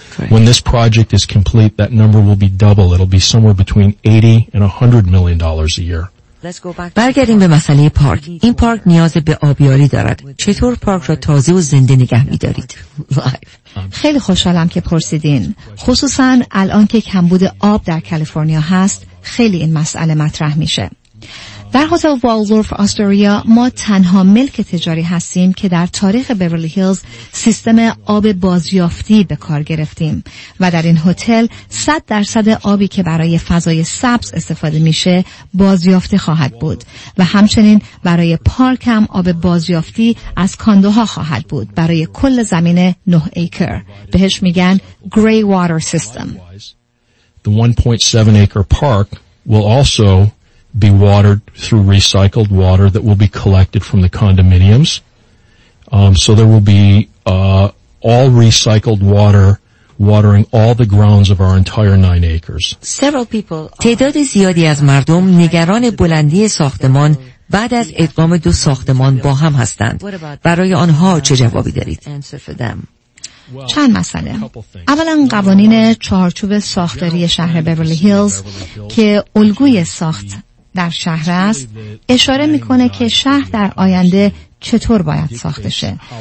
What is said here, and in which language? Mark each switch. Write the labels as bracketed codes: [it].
[en] When this project is complete, that number will be double. It'll be somewhere between 80 and 100 million dollars a year. [fa] برگردیم به مسئله پارک. این پارک نیاز به آبیاری دارد. چطور پارک را تازه و زنده نگه می‌دارید؟ خیلی خوشحالم که پرسیدین. خصوصاً الان که کمبود آب در کالیفرنیا هست، خیلی این مسئله مطرح میشه. در هتل والدورف آستوریا ما تنها ملک تجاری هستیم که در تاریخ بیورلی هیلز سیستم آب بازیافتی به کار گرفتیم و در این هتل 100% آبی که برای فضای سبز استفاده میشه بازیافته خواهد بود و همچنین برای پارک هم آب بازیافتی از کاندوها خواهد بود برای کل زمین 9 ایکر بهش میگن گری واتر سیستم. [en] The 1.7 acre park will also be watered through recycled water that will be collected from the condominiums. So there will be all recycled water watering all the grounds of our entire 9 acres. Several people, [fa] تعداد زیادی از مردم نگران بلندی ساختمان بعد از ادغام دو ساختمان با هم هستند. برای آنها چه جوابی دارید؟ چند مسئله. اولا قوانین چارچوب ساختاری شهر بیورلی هیلز که الگوی ساخت در شهر است اشاره میکنه که شهر در آینده چطور باید ساخته شه